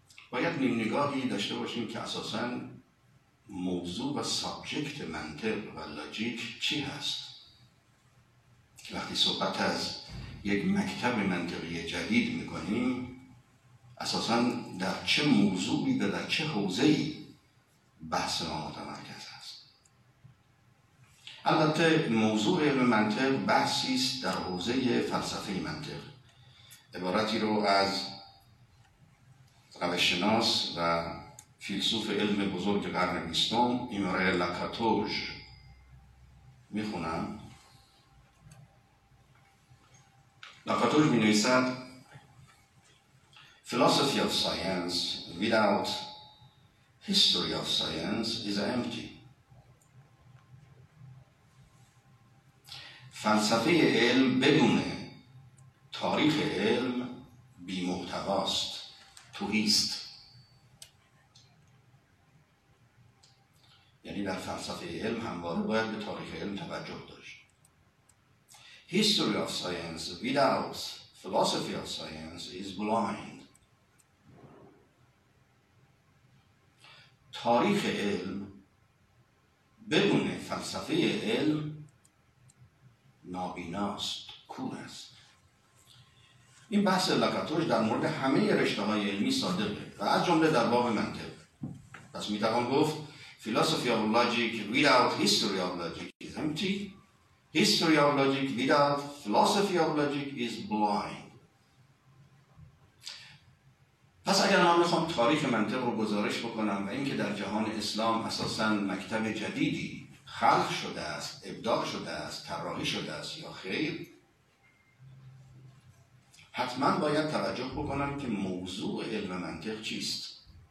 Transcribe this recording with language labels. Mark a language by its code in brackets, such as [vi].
[fa] باید نیم نگاهی داشته باشیم که اساساً موضوع و سابجکت منطق و لاجیک چی هست؟ وقتی صحبت از یک مکتب منطقی جدید می‌کنیم، اساساً در چه موضوعی و در چه حوزه‌ای بحث ما متمرکز است؟ البته موضوع علم منطق بحثی است در حوزه فلسفه منطق. عبارتی رو از روششناس و فیلسوف علم بزرگ قرن بیستم ایمره لاکاتوژ میخونم. لاکاتوژ می‌نویسد: [en] Philosophy of science without history of science is empty. [fa] فلسفه علم بدون تاریخ علم بی محتواست، تهی است. یعنی در فلسفه علم همواره باید به تاریخ علم توجه داشت. [en] History of science without philosophy of science is blind. [fa] تاریخ علم بدون فلسفه علم نابیناست، کور است. این بحث لاکاتوژ در مورد همه رشته‌های علمی صادقه و از جمله در باب منطق. پس می‌توان گفت [en] philosophy of logic without history of logic is empty. History of logic without philosophy of logic is blind. [fa] پس اگر من میخوام تاریخ منطق رو گزارش بکنم و اینکه در جهان اسلام اساساً مکتب جدیدی خلق شده است، ابداع شده است، طراحی شده است یا خیر، حتما باید توجه بکنم که موضوع علم منطق چیست.